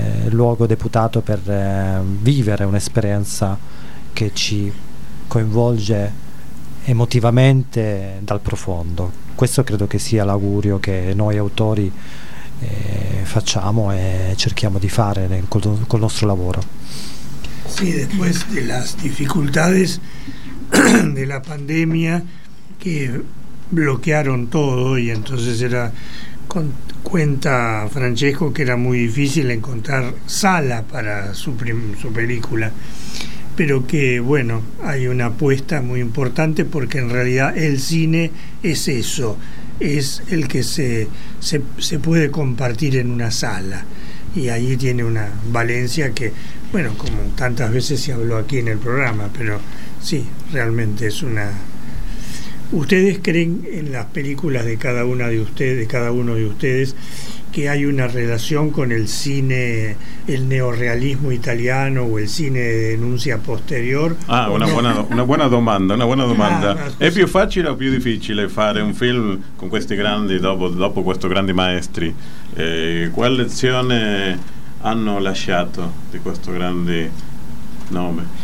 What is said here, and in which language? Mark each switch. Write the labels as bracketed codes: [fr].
[it] Luogo deputato per vivere un'esperienza che ci coinvolge emotivamente dal profondo. Questo credo che sia l'augurio che noi autori facciamo e cerchiamo di fare col nostro lavoro. Sì, dopo le difficoltà della pandemia che bloccarono tutto, e [es] entonces era cuenta Francesco que era muy difícil encontrar sala para su película, pero que bueno, hay una apuesta muy importante porque en realidad el cine es eso, es el que se puede compartir en una sala, y ahí tiene una valencia que, bueno, como tantas veces se habló aquí en el programa, pero sí, realmente es una... ¿Ustedes creen en las películas de cada una de ustedes, de cada uno de ustedes, que hay una relación con el cine, el neorrealismo italiano o el cine de denuncia posterior? Ah, una buena demanda. Ah, [it] ¿es più facile o più difficile fare un film con questi grandi, dopo questi grandi maestri? ¿Qual lezione hanno lasciato di questo grande nome?